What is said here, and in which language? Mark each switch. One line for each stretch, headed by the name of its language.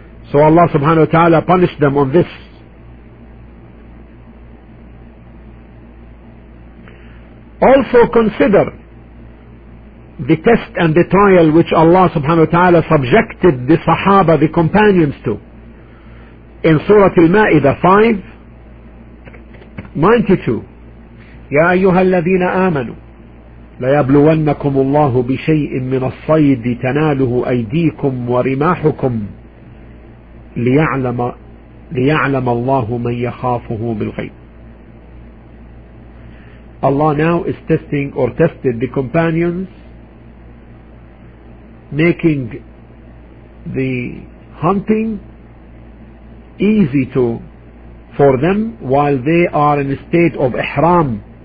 English: So Allah subhanahu wa ta'ala punished them on this. Also consider the test and the trial which Allah subhanahu wa ta'ala subjected the Sahaba, the companions, to. In Surah Al-Ma'idah 5:92,
Arabic: Ya ayyuhal ladhina amanu ليبلونكم الله بشيء من الصيد تناله أيديكم ورماحكم ليعلم الله من يخافه بالغيب.
English: Allah now is testing or tested the companions, making the hunting easy to for them while they are in a state of ihram.